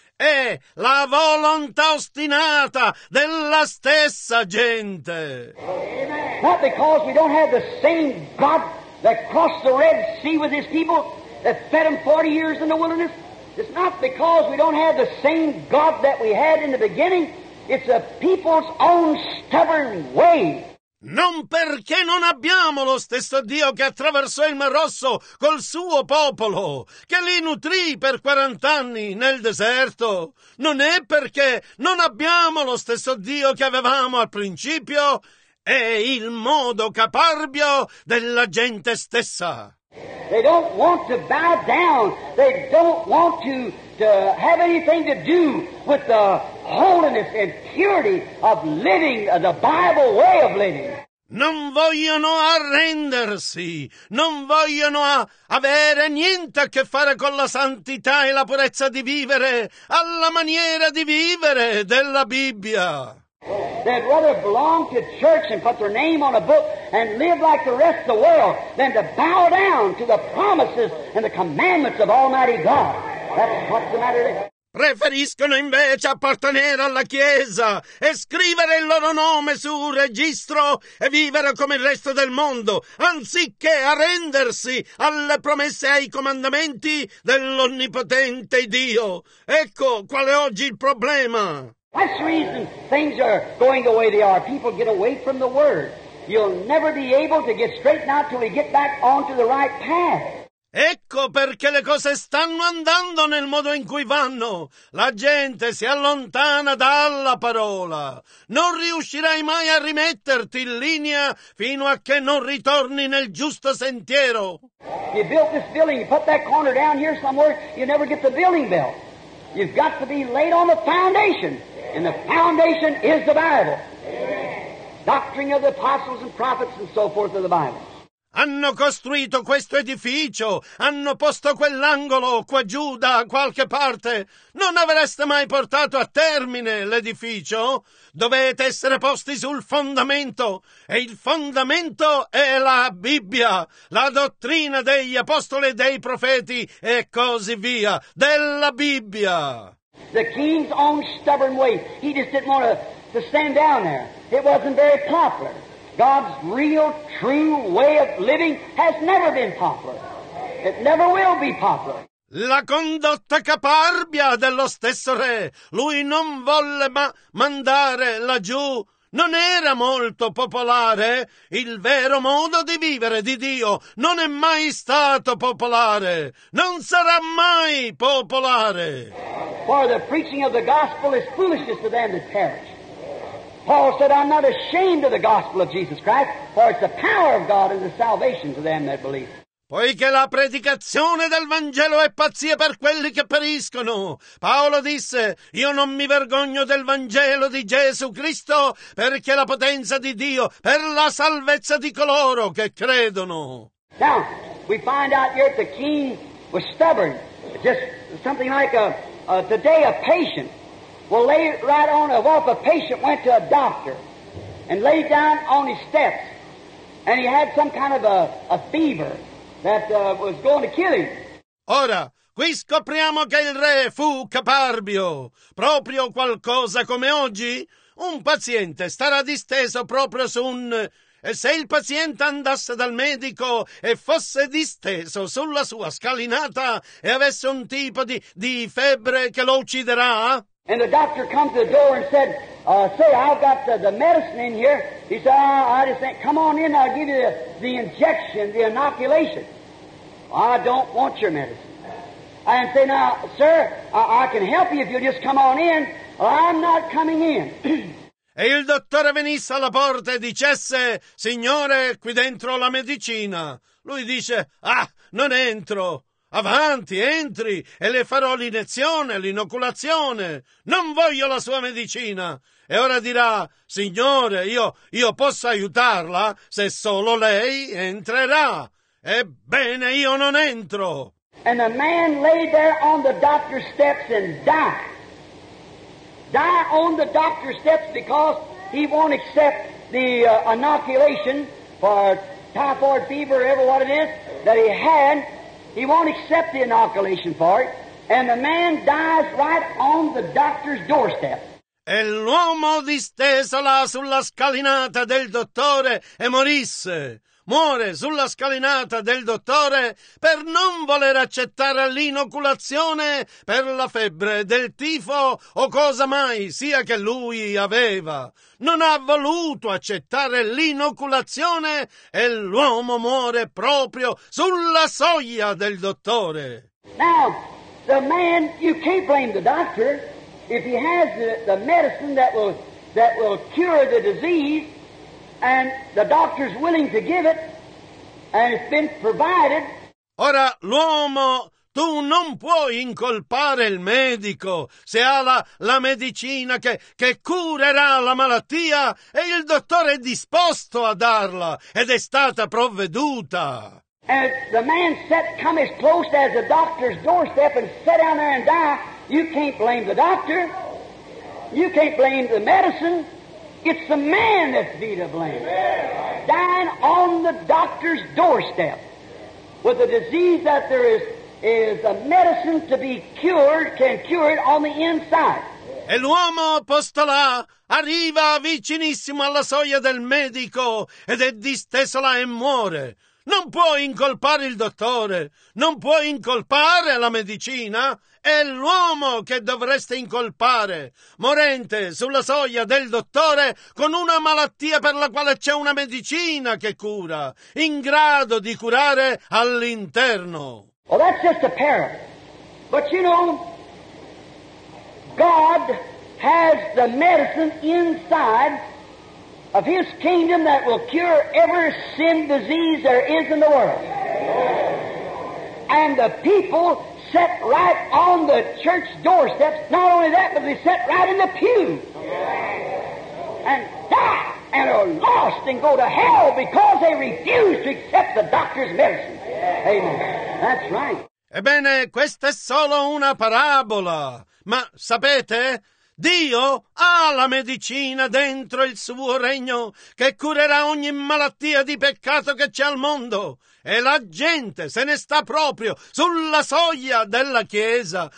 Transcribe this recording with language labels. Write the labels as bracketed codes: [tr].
[it] È la volontà ostinata della stessa gente. [en] Not because we don't have the same God that crossed the Red Sea with his people, that fed them 40 years in the wilderness. It's not because we don't have the same God that we had in the beginning. It's a people's own stubborn way. [it] Non perché non abbiamo lo stesso Dio che attraversò il Mar Rosso col suo popolo, che li nutrì per 40 anni nel deserto. Non è perché non abbiamo lo stesso Dio che avevamo al principio. È il modo caparbio della gente stessa. [en] They don't want to bow down. They don't want to have anything to do with the holiness and purity of living, the Bible way of living. [it] Non vogliono arrendersi. Non vogliono avere niente a che fare con la santità e la purezza di vivere alla maniera di vivere della Bibbia. [en] They'd rather belong to church and put their name on a book and live like the rest of the world than to bow down to the promises and the commandments of Almighty God. That's what's the matter there. [it] Preferiscono invece appartenere alla Chiesa e scrivere il loro nome su un registro e vivere come il resto del mondo, anziché arrendersi alle promesse e ai comandamenti dell'Onnipotente Dio. Ecco qual è oggi il problema. [en] That's the reason things are going the way they are. People get away from the Word. You'll never be able to get straightened out till we get back onto the right path. [it] Ecco perché le cose stanno andando nel modo in cui vanno. La gente si allontana dalla parola. Non riuscirai mai a rimetterti in linea fino a che non ritorni nel giusto sentiero. [en] You built this building, you put that corner down here somewhere, you never get the building built. You've got to be laid on the foundation. And the foundation is the Bible. Doctrine of the apostles and prophets and so forth of the Bible. [it] Hanno costruito questo edificio, hanno posto quell'angolo qua giù da qualche parte. Non avreste mai portato a termine l'edificio? Dovete essere posti sul fondamento. E il fondamento è la Bibbia, la dottrina degli apostoli e dei profeti e così via, della Bibbia. [en] The king's own stubborn way. He just didn't want to stand down there. It wasn't very popular. God's real, true way of living has never been popular. It never will be popular. [it] La condotta caparbia dello stesso re. Lui non volle mandare laggiù. Non era molto popolare il vero modo di vivere di Dio. Non è mai stato popolare. Non sarà mai popolare. [en] For the preaching of the gospel is foolishness to them that perish. Paul said, I'm not ashamed of the gospel of Jesus Christ, for it's the power of God and the salvation to them that believe. [it] Poiché la predicazione del Vangelo è pazzia per quelli che periscono. Paolo disse, io non mi vergogno del Vangelo di Gesù Cristo, perché è la potenza di Dio per la salvezza di coloro che credono. [en] Now, we find out here the king was stubborn. Just something like today a patient will lay right on a walk. A patient went to a doctor and laid down on his steps, and he had some kind of a fever. That was going to kill him. [it] Ora, qui scopriamo che il re fu caparbio. Proprio qualcosa come oggi, un paziente starà disteso proprio su un... E se il paziente andasse dal medico e fosse disteso sulla sua scalinata e avesse un tipo di febbre che lo ucciderà... [en] And the doctor comes to the door and said, say, I've got the medicine in here. He said, I just think, come on in, I'll give you the injection, the inoculation. Well, I don't want your medicine. And say, now, sir, I can help you if you'll just come on in. Well, I'm not coming in. [it] E il dottore venisse alla porta e dicesse, signore, qui dentro la medicina. Lui dice, non entro. Avanti, entri e le farò l'iniezione, l'inoculazione. Non voglio la sua medicina. E ora dirà, signore, io posso aiutarla se solo lei entrerà. Ebbene, io non entro. [en] And the man lay there on the doctor's steps and die on the doctor's steps because he won't accept the inoculation for typhoid fever, whatever what it is that he had. He won't accept the inoculation for it, and the man dies right on the doctor's doorstep. [it] E l'uomo disteso là sulla scalinata del dottore e morisse. Muore sulla scalinata del dottore per non voler accettare l'inoculazione per la febbre del tifo o cosa mai sia che lui aveva. Non ha voluto accettare l'inoculazione e l'uomo muore proprio sulla soglia del dottore. [en] Now, the man, you can't blame the doctor if he has the medicine that will cure the disease. And the doctor's willing to give it, and it's been provided. [it] Ora, l'uomo, tu non puoi incolpare il medico se ha la medicina che curerà la malattia e il dottore è disposto a darla ed è stata provveduta. [en] And the man set come as close as the doctor's doorstep and sat down there and die. You can't blame the doctor. You can't blame the medicine. It's the man that's be to blame. Dying on the doctor's doorstep with a disease that there is a medicine to be cured, can cure it on the inside. [it] E l'uomo posto là arriva vicinissimo alla soglia del medico ed è disteso là e muore. Non puoi incolpare il dottore, non puoi incolpare la medicina. È l'uomo che dovreste incolpare, morente sulla soglia del dottore con una malattia per la quale c'è una medicina che cura, in grado di curare all'interno. [en] Well, that's just a parable. But you know, God has the medicine inside of His kingdom that will cure every sin disease there is in the world. And the people set right on the church doorsteps. Not only that, but they set right in the pew and die and are lost and go to hell because they refuse to accept the doctor's medicine. Amen. That's right. [it] Ebbene, questa è solo una parabola, ma sapete? Dio ha la medicina dentro il suo regno che curerà ogni malattia di peccato che c'è al mondo e la gente se ne sta proprio sulla soglia della chiesa.